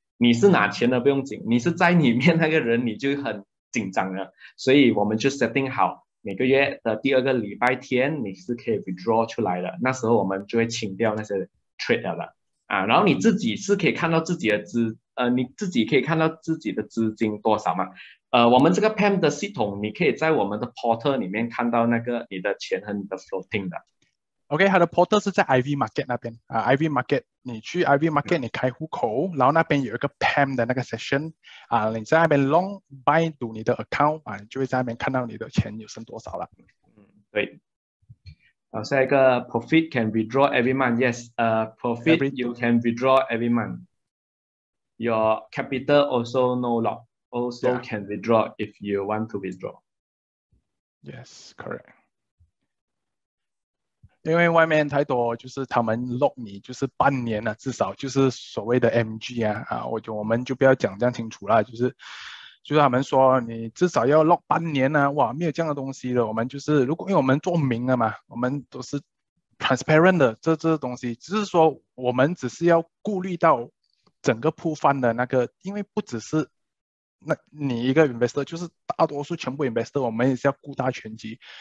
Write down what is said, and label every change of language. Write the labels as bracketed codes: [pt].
[zh] 你是拿钱的不用紧，你是在里面那个人你就很紧张了，所以我们就 setting 好每个月的第二个礼拜天你是可以 withdraw 出来的，那时候我们就会清掉那些 trade 了啊，然后你自己是可以看到自己的资，你自己可以看到自己的资金多少嘛，我们这个 PAM 的系统你可以在我们的 portal 里面看到那个你的钱和你的 floating 的。 OK，它的 portal 是在 IV Market 那边啊。 IV Market，你去 IV Market，你开户口，然后那边有一个 PAM 的那个 session 啊，你在那边 long buy 赌你的 account 啊，你就会在那边看到你的钱有剩多少了。对，然后下一个 [en] profit can withdraw every month. Yes, profit Every you can withdraw every month. Your capital also no loss, also Yeah. can withdraw if you want to withdraw. Yes, correct. [zh] 因为外面太多，就是他们 lock 你，就是半年了，至少就是所谓的 MG 啊，我们就不要讲这样清楚了，就是他们说你至少要 lock 半年呢，哇，没有这样的东西的。我们就是如果因为我们做明了嘛，我们都是 transparent 的，这东西只是说我们只是要顾虑到整个 pool fund 的那个，因为不只是那你一个 investor，就是大多数全部 investor，我们也是要顾大全局。